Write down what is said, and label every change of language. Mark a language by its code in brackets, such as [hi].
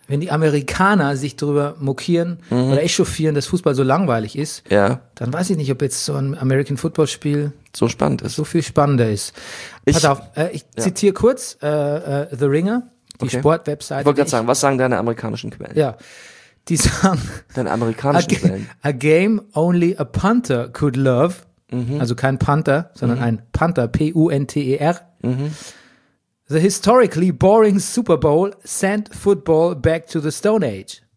[de] Wenn die Amerikaner sich drüber mokieren oder echauffieren, dass Fußball so langweilig ist, ja, dann weiß ich nicht, ob jetzt so ein American Football Spiel so spannend ist. So viel spannender ist. Pass auf, ich zitiere kurz The Ringer, die Sportwebsite. Ich wollte gerade sagen, was sagen deine amerikanischen Quellen? Ja. Die sagen, deine amerikanischen Quellen. [en] A game only a punter could love. Mhm. [de] Also kein Panther, sondern ein Panther, P-U-N-T-E-R. Mhm. [en] The historically boring Super Bowl sent football back to the Stone Age.